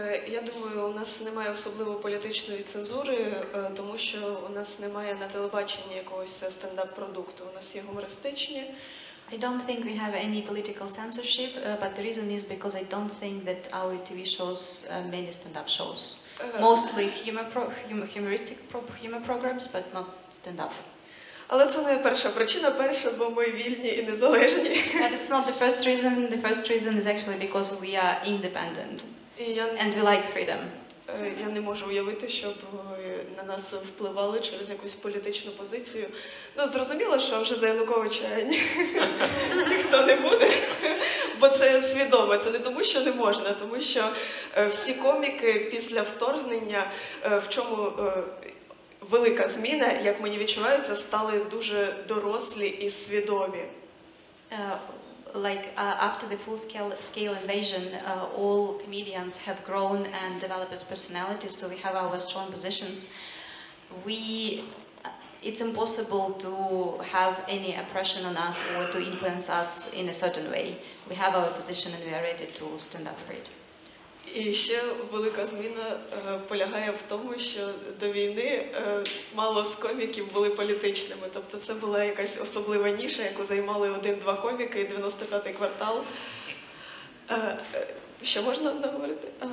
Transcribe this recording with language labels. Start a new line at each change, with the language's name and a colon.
Ukrainian: Я думаю, у нас немає особливо політичної цензури, тому що у нас немає на телебаченні якогось стендап-продукту, у нас є гумористичні.
English: I don't think we have any political censorship, but the reason is because I don't think that our TV shows many stand-up shows. Mostly humor programs, but not stand-up.
Ukrainian: Але це не перша причина. Перша, бо ми вільні і незалежні.
English: But it's not the first reason. The first reason is actually because we are independent. And we like freedom.
Ukrainian: Я не можу уявити, щоб на нас впливали через якусь політичну позицію. Ну, зрозуміло, що вже за Януковича ніхто не буде, бо це свідомо. Це не тому, що не можна, тому що всі коміки після вторгнення, в чому велика зміна, як мені відчувається, стали дуже дорослі і свідомі.
English: Like after the full-scale invasion, all comedians have grown and developed as personalities, so we have our strong positions. It's impossible to have any oppression on us or to influence us in a certain way. We have our position and we are ready to stand up for it.
Ukrainian: І ще велика зміна полягає в тому, що до війни мало з коміків були політичними. Тобто це була якась особлива ніша, яку займали один-два коміки і 95-й квартал. Що можна наговорити?